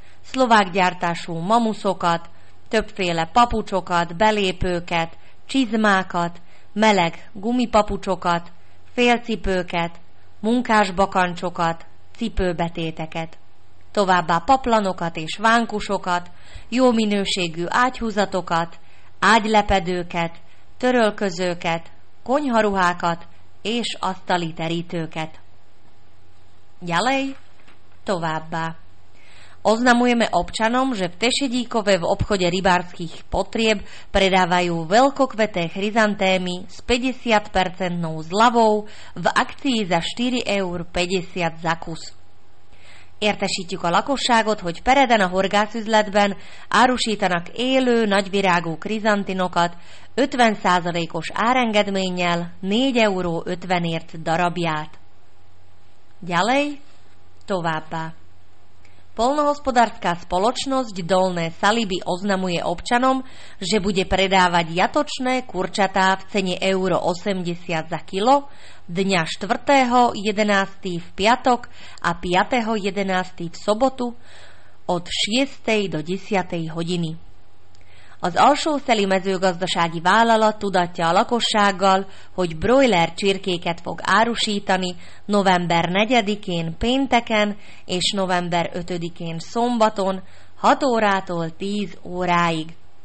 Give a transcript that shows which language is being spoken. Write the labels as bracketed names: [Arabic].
[Hungarian] szlovák gyártású mamuszokat, többféle papucsokat, belépőket, csizmákat, meleg gumipapucsokat, félcipőket, munkásbakancsokat, cipőbetéteket. Továbbá paplanokat és vánkusokat, jó minőségű ágyhúzatokat, ágylepedőket, törölközőket, konyharuhákat és asztali terítőket. [Slovak] Ďalej, [Hungarian] továbbá. [Slovak] Oznamujeme občanom, že v Tešedíkove v obchode rybárskych potrieb predávajú veľkokveté chryzantémy s 50% zľavou v akcii za 4,50 € za kus. [Hungarian] Értesítjük a lakosságot, hogy Pereden a horgászüzletben árusítanak élő, nagyvirágú krizantinokat 50%-os árengedménnyel 4,50 € darabját. [Slovak] Ďalej, [Hungarian] továbbá. [Slovak] Poľnohospodárska spoločnosť Dolné Saliby oznamuje občanom, že bude predávať jatočné kurčatá v cene euro 80 za kilo dňa 4.11. v piatok a 5.11. v sobotu od 6. do 10. hodiny. [Hungarian] Az Alsószeli mezőgazdasági vállalat tudatja a lakossággal, hogy broiler csirkéket fog árusítani november 4-én pénteken és november 5-én szombaton 6 órától 10 óráig.